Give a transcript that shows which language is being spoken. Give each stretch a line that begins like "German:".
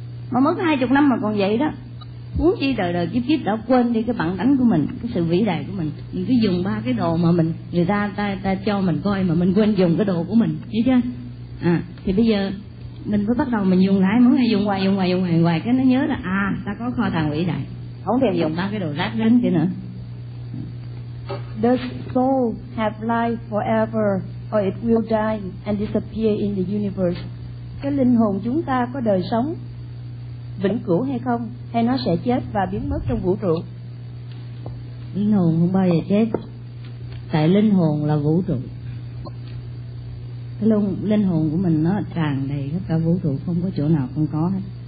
Vietnamese: Mà mất 20 năm mà còn vậy đó. Muốn chi đời đời kiếp kiếp đã quên đi cái bản tánh của mình, cái sự vĩ đại của mình. Mình cứ dùng ba cái đồ mà mình người ta ta cho mình coi mà mình quên dùng cái đồ của mình, hiểu chưa? À, thì bây giờ mình mới bắt đầu mình dùng lại, mỗi ngày dùng hoài, cái nó nhớ là à, ta có kho tàng vĩ đại. Không thèm dùng ba cái đồ rác rến kia nữa.
English: Does soul have life forever or it will die and disappear in the universe?
Vietnamese: Cái linh hồn chúng ta có đời sống vĩnh cửu hay không, hay nó sẽ chết và biến mất trong vũ trụ? Linh hồn không bao giờ chết, tại linh hồn là vũ trụ. Cái linh hồn của mình nó tràn đầy tất cả vũ trụ, không có chỗ nào không có hết.